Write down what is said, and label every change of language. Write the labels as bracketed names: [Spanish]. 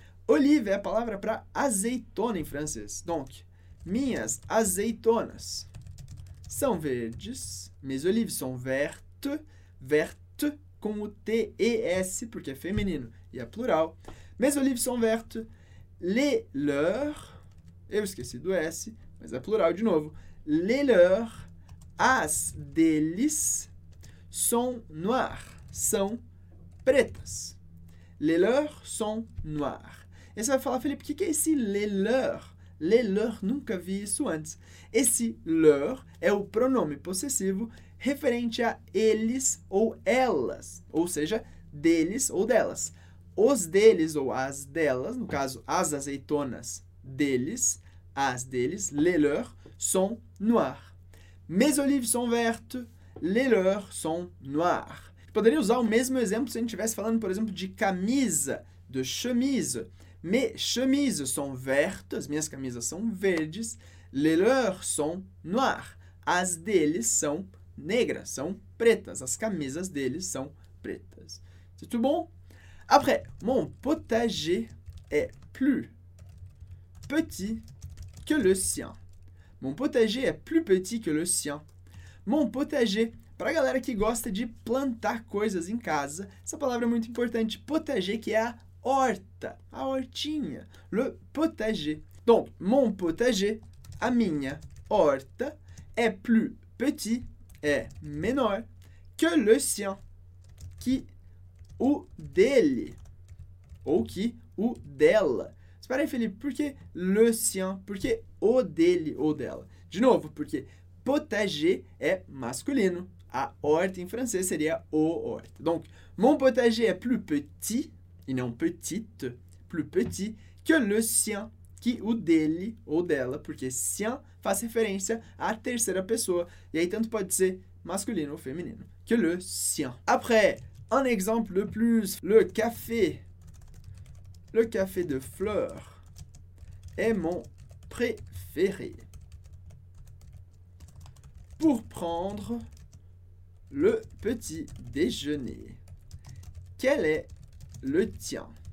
[Portuguese] Olive é a palavra para azeitona em francês. Donc, minhas azeitonas são verdes. [French] Mes olives sont vertes. Vertes [Portuguese] com o T-E-S, porque é feminino e é plural. [French] Mes olives sont vertes. Les leurs. [Portuguese] Eu esqueci do S, mas é plural de novo. [French] Les leurs, [Portuguese] as deles, [French] sont noires. [Portuguese] São pretas. [French] Les leurs sont noires. [Portuguese] E você vai falar, Felipe, o que é esse [French] les leurs? [Portuguese] Les leurs, nunca vi isso antes. Esse leur é o pronome possessivo referente a eles ou elas. Ou seja, deles ou delas. Os deles ou as delas, no caso, as azeitonas deles. As deles, [French] les leurs, sont noirs. Mes olives sont vertes, les leurs sont noirs. [Portuguese] Poderia usar o mesmo exemplo se a gente estivesse falando, por exemplo, de camisa, de chemise. [French] Mes chemises sont vertes, [Portuguese] minhas camisas são verdes, [French] les leurs sont noirs. [Portuguese] As deles são negras, são pretas. As camisas deles são pretas. [French] C'est tout bon? Après, mon potager est plus petit que le sien. Mon potager est plus petit que le sien. [Portuguese] Mon potager, para a galera que gosta de plantar coisas em casa, essa palavra é muito importante. Potager, que é a horta, a hortinha. [French] Le potager. Donc, mon potager, [Portuguese] a minha horta, [French] est plus petit, [Portuguese] é menor, [French] que le sien, [Portuguese] que o dele, ou que o dela. Espera aí, Felipe, por que [French] le sien? [Portuguese] Por que o dele ou dela? De novo, porque potager é masculino. A horta em francês seria o horta. [French] Donc, mon potager est plus petit, [Portuguese] e não [French] petite, plus petit, que le sien, [Portuguese] que o dele ou dela, porque sien faz referência à terceira pessoa. E aí, tanto pode ser masculino ou feminino. [French] Que le sien. Après, un exemple de plus, le café. Le café de fleurs est mon préféré. Pour prendre le petit déjeuner, quel est le tien?